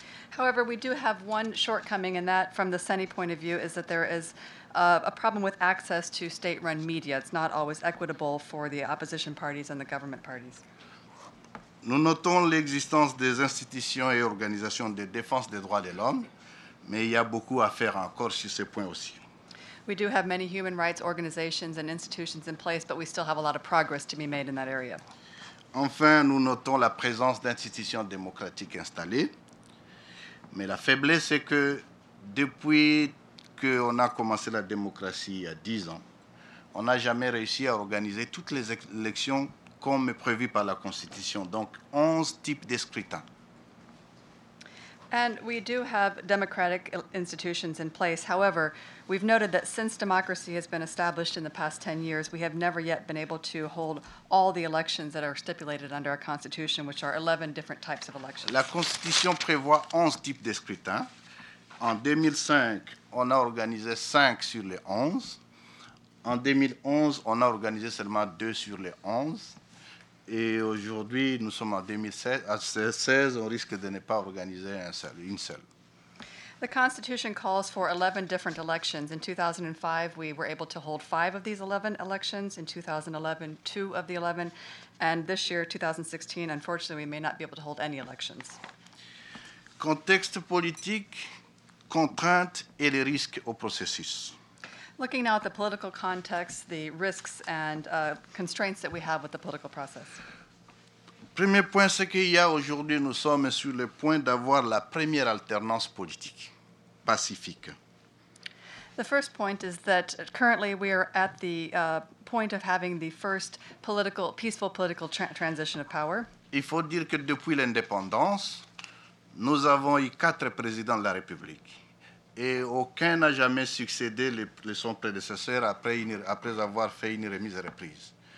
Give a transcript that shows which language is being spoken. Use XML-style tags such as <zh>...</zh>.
<en>However, we do have one shortcoming, and that, from the CENI point of view, is that there is a problem with access to state-run media. It's not always equitable for the opposition parties and the government parties.</en> <fr>Nous notons l'existence des institutions et organisations de défense des droits de l'homme, mais il y a beaucoup à faire encore sur ce point aussi.</fr> <en>We do have many human rights organizations and institutions in place, but we still have a lot of progress to be made in that area.</en> <fr>Enfin, nous notons la présence d'institutions démocratiques installées. Mais la faiblesse est que depuis qu'on a commencé la démocratie il y a 10 ans, on n'a jamais réussi à organiser toutes les élections comme prévu par la Constitution. Donc 11 types de scrutins.</fr> <en>And we do have democratic institutions in place. However, we've noted that since democracy has been established in the past 10 years, we have never yet been able to hold all the elections that are stipulated under our constitution, which are 11 different types of elections.</en> <fr>La constitution prévoit 11 types de scrutins. En 2005, on a organisé 5 sur les 11. En 2011, on a organisé seulement 2 sur les 11. Et aujourd'hui, nous sommes en 2016, on risque de ne pas organiser une seule.</fr> <en>The Constitution calls for 11 different elections. In 2005, we were able to hold 5 of these 11 elections. In 2011, 2 of the 11. And this year, 2016, unfortunately, we may not be able to hold any elections.</en> <fr>Contexte politique, contraintes et les risques au processus.</fr> <en>Looking now at the political context, the risks and constraints that we have with the political process.</en> <fr>Premier point, c'est qu'il y a aujourd'hui, nous sommes sur le point d'avoir la première alternance politique, pacifique.</fr> <en>The first point is that currently we are at the point of having the first peaceful political transition of power.</en> <fr>Il faut dire que depuis l'indépendance, nous avons eu 4 présidents de la République. Et aucun n'a jamais succédé à son prédécesseur après avoir fait une remise et reprise.</fr>